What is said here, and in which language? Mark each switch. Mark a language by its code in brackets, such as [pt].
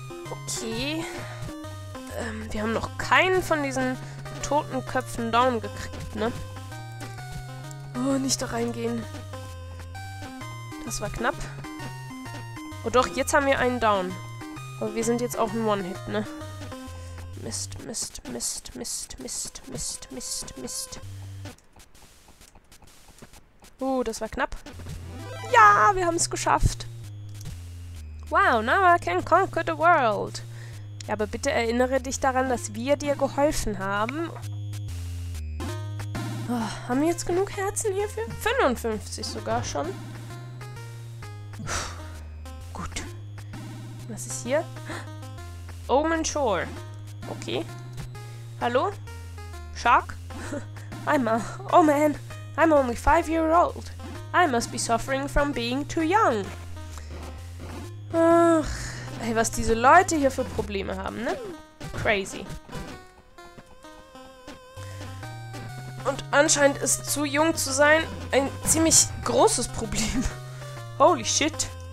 [de] Okay. Wir haben noch keinen von diesen toten Köpfen down gekriegt, ne? Oh, nicht da reingehen. Das war knapp. Oh doch, jetzt haben wir einen down. Aber wir sind jetzt auch ein One-Hit, ne? Mist, Mist, Mist, Mist, Mist, Mist, Mist, Mist. Das war knapp. Ja, wir haben es geschafft. [en] Wow, now I can conquer the world. [de] Ja, aber bitte erinnere dich daran, dass wir dir geholfen haben. Oh, haben wir jetzt genug Herzen hierfür? 55 sogar schon. Puh, gut. Was ist hier? Omen Shore. Okay. Hallo? Shark? [en] Oh man, I'm only 5 years old. I must be suffering from being too young. [de] Ach, ey, was diese Leute hier für Probleme haben, ne? Crazy. Und anscheinend ist zu jung zu sein ein ziemlich großes Problem. [en] Holy shit.